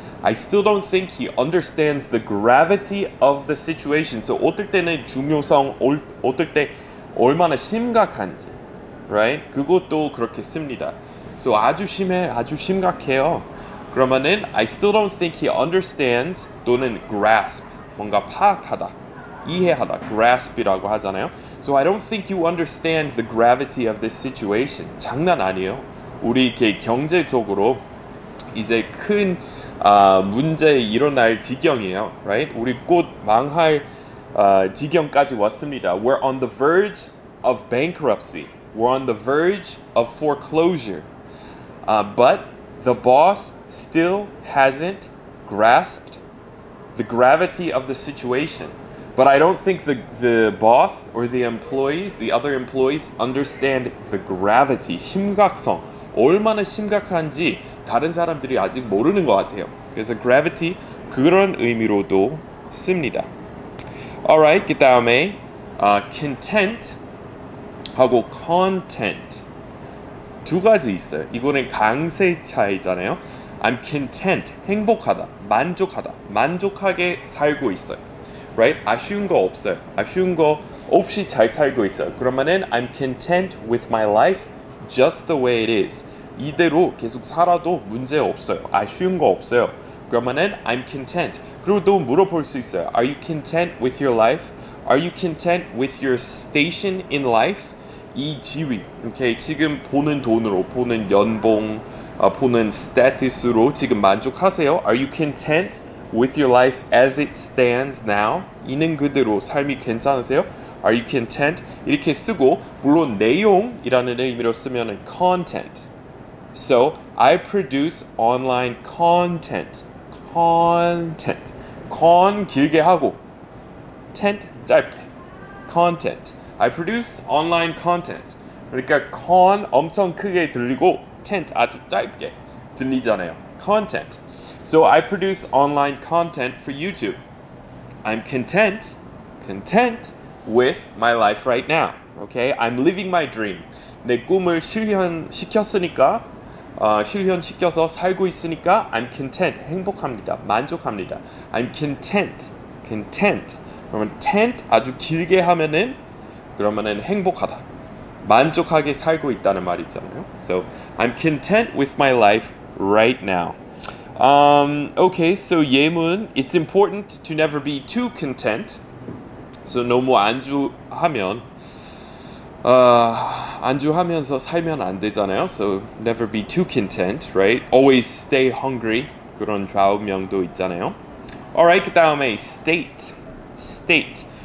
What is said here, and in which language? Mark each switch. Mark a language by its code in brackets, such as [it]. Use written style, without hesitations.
[en] I still don't think he understands the gravity of the situation. [ko] So 어떨 때는 중요성, 어떨 때 얼마나 심각한지, right? 그것도 그렇게 씁니다. So 아주 심해, 아주 심각해요. 그러면은 [en] I still don't think he understands 또는 grasp, [ko] 뭔가 파악하다. 이해하다, grasp이라고 하잖아요. [en] So I don't think you understand the gravity of this situation. [ko] 장난 아니에요. 우리 이렇게 경제적으로 이제 큰 문제 일어날 지경이에요. [en] Right? [ko] 우리 곧 망할 지경까지 왔습니다. [en] We're on the verge of bankruptcy. We're on the verge of foreclosure. But the boss still hasn't grasped the gravity of the situation. But I don't think the boss or the employees, the other employees, understand the gravity, [ko] 심각성, 얼마나 심각한지 다른 사람들이 아직 모르는 것 같아요. 그래서 gravity, 그런 의미로도 씁니다. Alright, 그 다음에 content 하고 content 두 가지 있어요. 이거는 강세 차이잖아요. [en] I'm content, [ko] 행복하다, 만족하다, 만족하게 살고 있어요. [en] Right? [ko] 아쉬운 거 없어요. 아쉬운 거 없이 잘 살고 있어요. 그러면은 [en] I'm content with my life just the way it is. [ko] 이대로 계속 살아도 문제 없어요. 아쉬운 거 없어요. 그러면은 [en] I'm content. [ko] 그리고 또 물어볼 수 있어요. [en] Are you content with your life? Are you content with your station in life? [ko] 이 지위. [en] Okay? [ko] 지금 보는 돈으로, 보는 연봉, 보는 status로 지금 만족하세요? [en] Are you content with your life as it stands now? [ko] 있는 그대로 삶이 괜찮으세요? [en] Are you content? [ko] 이렇게 쓰고 물론 내용이라는 의미로 쓰면 content. [en] So I produce online content. Content. Con 길게 하고 tent 짧게. Content. I produce online content. [ko] 그러니까 con 엄청 크게 들리고 tent 아주 짧게 들리잖아요. Content. [en] So I produce online content for YouTube. I'm content, content with my life right now. Okay, I'm living my dream. [ko] 내 꿈을 실현시켰으니까, 실현시켜서 살고 있으니까 [en] I'm content, [ko] 행복합니다, 만족합니다. [en] I'm content, content. [ko] 그러면 tent 아주 길게 하면은 그러면은 행복하다, 만족하게 살고 있다는 말이잖아요. [en] So I'm content with my life right now. Okay, so [ko] 예문, [en] it's important to never be too content. [ko] So 너무 안주하면, 안주하면서 살면 안 되잖아요. [en] So never be too content, right? Always stay hungry. [ko] 그런 좌우명도 있잖아요. Alright, 그 다음에 state. State.